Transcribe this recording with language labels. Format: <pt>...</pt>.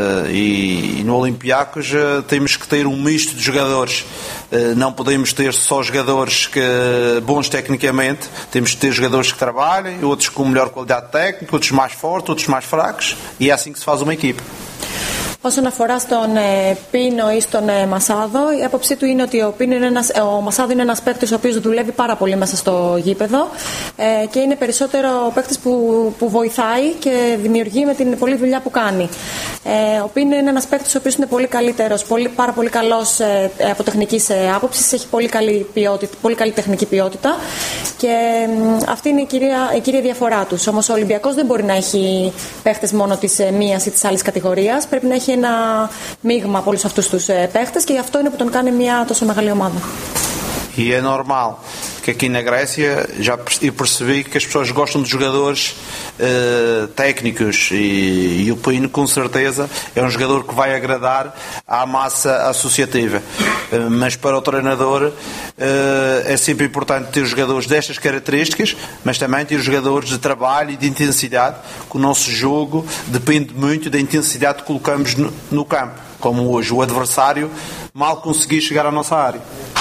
<pt>E no Olympiacos temos que ter misto de jogadores. Não podemos ter só jogadores que bons tecnicamente, temos que ter jogadores que trabalhem, outros com melhor qualidade técnica, outros mais fortes, outros mais fracos, e é assim que se faz uma equipe.</pt> <el>Όσον αφορά στον Πίνο ή στον Μασάδο, η άποψή του είναι ότι ο Μασάδο είναι ένας παίκτης ο οποίος δουλεύει πάρα πολύ μέσα στο γήπεδο και είναι περισσότερο ο παίκτης που βοηθάει και δημιουργεί με την πολλή δουλειά που κάνει. Ο Πίνο είναι ένας παίκτης ο οποίος είναι πολύ καλύτερος, πάρα πολύ καλός από τεχνική άποψη, έχει πολύ καλή ποιότητα, πολύ καλή τεχνική ποιότητα και αυτή είναι η κύρια διαφορά τους. Όμως ο Ολυμπιακός δεν μπορεί να έχει παίκτες μόνο της μίας ή της άλλης κατηγορίας. Να έχει ένα μείγμα από όλους αυτούς τους παίχτες και γι' αυτό είναι που τον κάνει μια τόσο μεγάλη ομάδα. Είναι</el> <pt>normal que aqui na Grécia já percebi que as pessoas gostam de jogadores técnicos e o Pino com certeza é jogador que vai agradar à massa associativa, mas para o treinador é sempre importante ter jogadores destas características, mas também ter jogadores de trabalho e de intensidade, que o nosso jogo depende muito da intensidade que colocamos no campo, como hoje o adversário mal conseguiu chegar à nossa área.</pt>